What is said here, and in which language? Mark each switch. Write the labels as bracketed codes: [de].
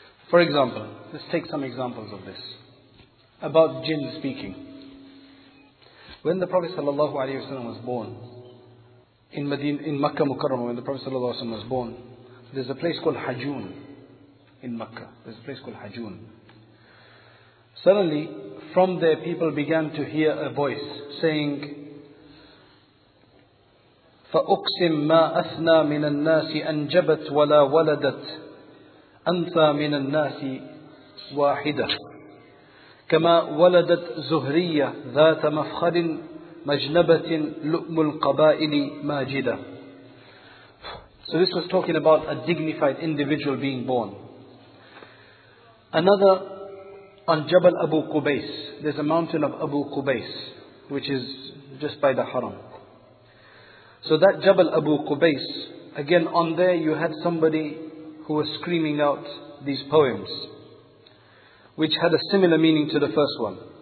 [en] For example, let's take some examples of this about jinn speaking. When the Prophet sallallahu alaihi wasallam was born in Makkah Mukarramah, when the Prophet sallallahu alaihi wasallam was born, there's a place called Hajun in Makkah. There's a place called Hajun. Suddenly, from there, people began to hear a voice saying, [ar] "فَأُقْسِمْ مَا أَثْنَى مِنَ النَّاسِ أَنْجَبَتْ وَلَا وَلَدَتْ أَنْثَى مِنَ النَّاسِ وَاحِدَةً كَمَا وَلَدَتْ زُهْرِيَّةً ذَاتَ مَفْخَرٍ مَجْنَبَةٍ لُؤْمُ الْقَبَائِلِ مَاجِدَةً." [en] So this was talking about a dignified individual being born. Another, on Jabal Abu Qubais, there's a mountain of Abu Qubais, which is just by the Haram. So that Jabal Abu Qubais, again on there you had somebody who was screaming out these poems, which had a similar meaning to the first one.